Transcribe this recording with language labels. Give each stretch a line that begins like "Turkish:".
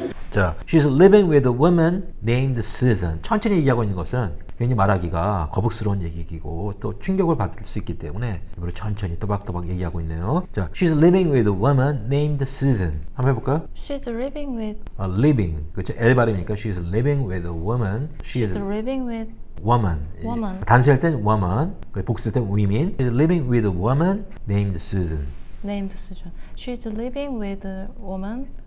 English: 자, She's living with a woman named Susan.
Korean: 천천히 얘기하고 있는 것은 괜히 말하기가 거북스러운 얘기이고 또 충격을 받을 수 있기 때문에 일부러 천천히 또박또박 얘기하고 있네요.
English: 자, She's living with a woman named Susan.
Korean: 한번 해볼까요?
English: She's living with... living.
Korean: 그렇죠? L 발음이니까
English: She's living with a woman. She's living with... woman. woman.
Korean: 단수할 땐
English: woman.
Korean: 복수할 땐
English: women. She's living with a woman named Susan. Named Susan. She's living with a woman...